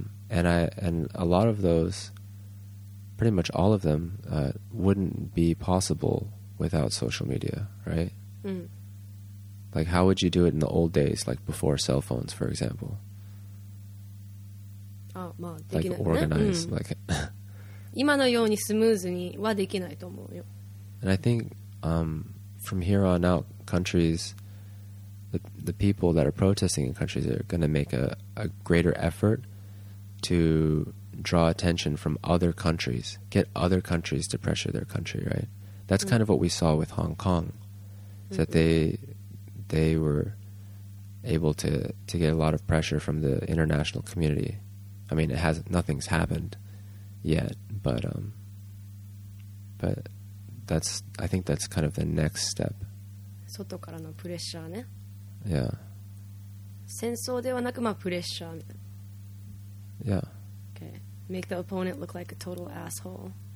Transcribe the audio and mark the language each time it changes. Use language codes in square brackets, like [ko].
[en] And a lot of those... pretty much all of them wouldn't be possible without social media, right? Like, how would you do it in the old days, like before cell phones, for example? Like, organize, like... [ja] 今のようにスムーズにはできないと思うよ。 [en] And I think from here on out, countries, the people that are protesting in countries are going to make a greater effort to... draw attention from other countries, get other countries to pressure their country, right? That's kind of what we saw with Hong Kong, that they were able to get a lot of pressure from the international community. I mean, nothing's happened yet, but that's, I think that's kind of the next step. [ja] 外からのプレッシャーね。 [en] Yeah. [ja] 戦争ではなく、まあ、プレッシャーみたいな。 [en] Yeah. Make the opponent look like a total asshole.